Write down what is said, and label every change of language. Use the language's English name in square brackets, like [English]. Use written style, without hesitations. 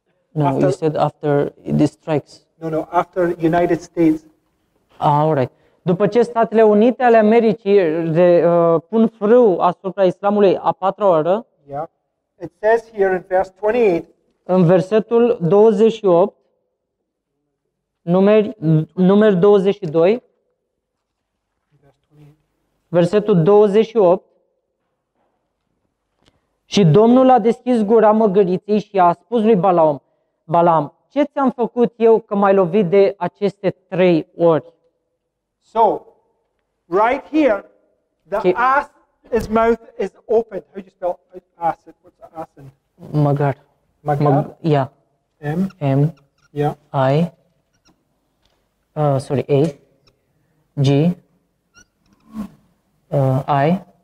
[English] No, after, you said after it strikes. No, after United States. All right. [Romanian] După ce Statele Unite ale Americii pun frâu asupra islamului a patra oră. [English] Yeah. It says here in verse 28. [Romanian] În versetul 28, numeri 22. Versetul 28. Și Domnul a deschis gura măgăriței și a spus lui Balaam: Balaam, ce ți-am făcut eu că m-ai lovit de aceste trei ori? [English] So, right here, the ass, his mouth is open. How do you spell ass? What's the ass in? [Romanian] Măgar. [English] Yeah. M. M. Yeah. I. A. G. I.